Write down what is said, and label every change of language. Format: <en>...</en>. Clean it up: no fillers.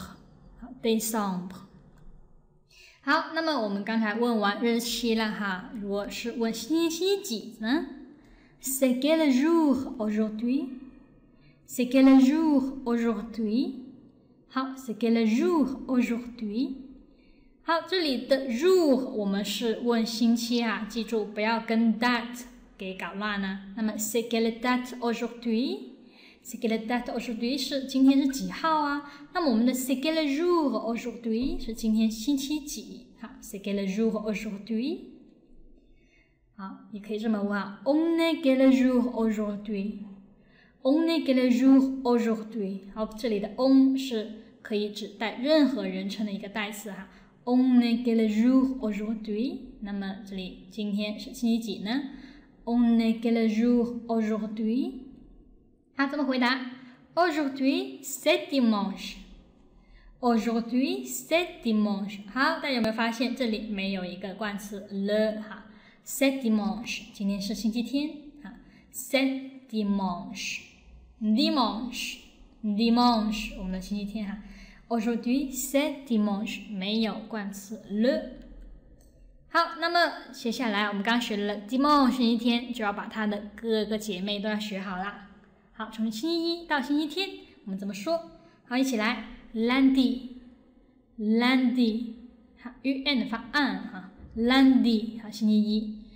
<zh>好，那么我们刚才问完日期了哈，如果是问星期几呢 ？</zh> <fr>C'est quel jour aujourd'hui？</fr> <zh>C'est quel jour aujourd'hui？</zh> <fr>好 ，C'est quel jour aujourd'hui？</fr> <zh>好，这里的 jour 我们是问星期啊，记住不要跟 that 给搞乱啊。那么</zh> <fr>c'est quelle date aujourd'hui？</fr> <zh>c'est quelle date aujourd'hui 是今天是几号啊？那么我们的</zh> <fr>c'est quelle jour aujourd'hui</fr> <zh>是今天星期几？</zh> <fr>好 ，c'est quelle jour aujourd'hui？</fr> <zh>好，你可以这么问啊 ，</zh> <fr>on est quel jour aujourd'hui？</fr> <zh>on est quel jour aujourd'hui？好，这里的 on 是可以指代任何人称的一个代词哈、啊。</zh> <fr>On est quel jour aujourd'hui？</fr> <zh>那么这里今天是星期几呢</zh> <fr>On est quel jour aujourd'hui?</fr> <zh>他怎么回答</zh> <fr>？Aujourd'hui c'est dimanche. Aujourd'hui c'est dimanche.</fr> <zh>好，大家有没有发现这里没有一个冠词 le 哈 ？</zh> <fr>C'est dimanche.</fr> <zh>今天是星期天哈。</zh> <fr>C'est dimanche.</fr> <zh>Dimanche. Dimanche. 我们的星期天哈。</zh> <fr>Aujourd'hui c'est dimanche.</fr> <zh>没有冠词 le。好，那么接下来我们刚学了 dimanche 一天，就要把它的各个姐妹都要学好了。好，从星期一到星期天，我们怎么说？好，一起来 ，lundi， lundi， 好 ，un 的发音哈 ，lundi， 好，星期一。</zh>